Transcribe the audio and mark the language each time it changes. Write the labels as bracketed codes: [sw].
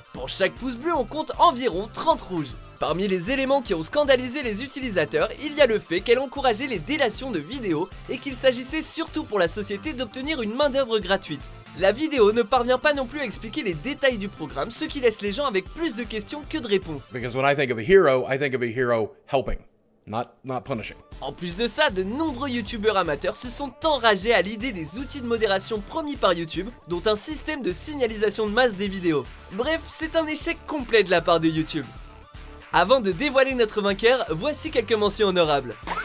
[fr] Pour chaque pouce bleu, on compte environ 30 rouges. Parmi les éléments qui ont scandalisé les utilisateurs, il y a le fait qu'elle encourageait les délations de vidéos et qu'il s'agissait surtout pour la société d'obtenir une main-d'œuvre gratuite. La vidéo ne parvient pas non plus à expliquer les détails du programme, ce qui laisse les gens avec plus de questions que de réponses. [en] Because when I think of a hero, I think of a hero helping. Not punishing. [fr] En plus de ça, de nombreux youtubeurs amateurs se sont enragés à l'idée des outils de modération promis par YouTube, dont un système de signalisation de masse des vidéos. Bref, c'est un échec complet de la part de YouTube. Avant de dévoiler notre vainqueur, voici quelques mentions honorables.